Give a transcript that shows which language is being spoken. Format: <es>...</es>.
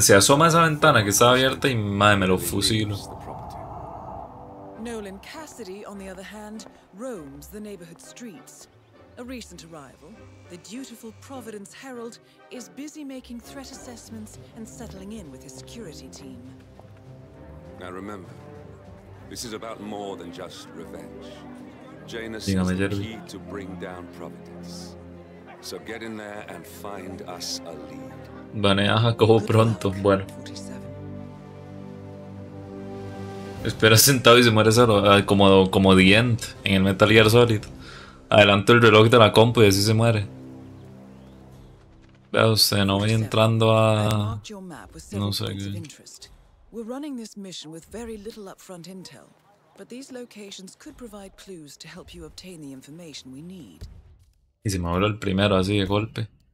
<es>Se asoma esa ventana que estaba abierta y madre, me lo fusilo.</es> <en>Nolan Cassidy, on the other hand, roams the neighborhood streets. A recent arrival, the dutiful Providence Herald is busy making threat assessments and settling in with his security team. Now remember, this is about more than just revenge. Janus</en> <es>Dígame,</es> <en>is the key to bring down Providence. So get in there and find us a lead.</en> <es>Banea Jacobo pronto. Bueno. 47. Espera sentado y se muere como The End en el Metal Gear Solid. Adelanto el reloj de la compu y así se muere. Vea usted, no voy entrando a... No sé qué.</es> <en>We're running this mission with very little upfront intel, but these locations could provide clues to help you obtain the information we need.</en> <es>Y se me abre el primero así de golpe.</es>